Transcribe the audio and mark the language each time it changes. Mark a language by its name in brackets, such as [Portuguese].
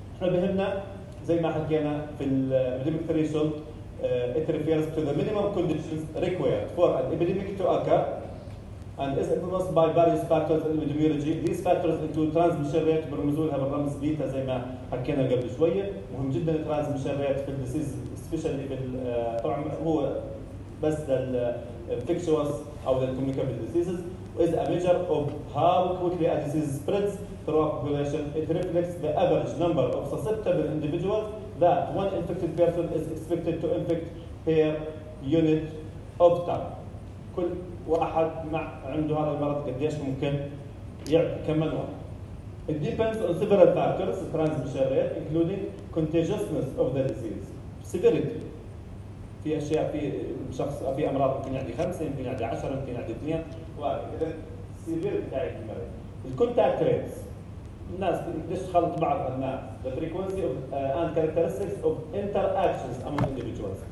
[Arabic] إحنا بهمنا زي ما حكينا في الـ [English] epidemic threshold it refers to the minimum conditions required for an epidemic to occur and is influenced by various factors in epidemiology. These factors include transmission rate, [Arabic] برمزوا لها بالرمز بيتا زي ما حكينا قبل شوية. مهم جدا transmission rate في الديسيز [English] especially [Arabic] في طبعا هو بس للinfectious أو للcommunicable diseases. [English] Is a measure of how quickly a disease spreads throughout population. It reflects the average number of susceptible individuals that one infected person is expected to infect per unit of time. [Arabic] كل واحد مع عنده هذا المرض قديش ممكن يعطي كم من واحد. [English] It depends on several factors, transmission rate, including contagiousness of the disease, severity. [Arabic] في أشياء في شخص في أمراض ممكن يعدي 5 ممكن يعدي 10 ممكن يعدي 2 وإذا severity تاع المرض. [English] Contact rates. [Arabic] الناس قديش خلط بعض الناس. [English] The frequency of and characteristics of interactions among individuals.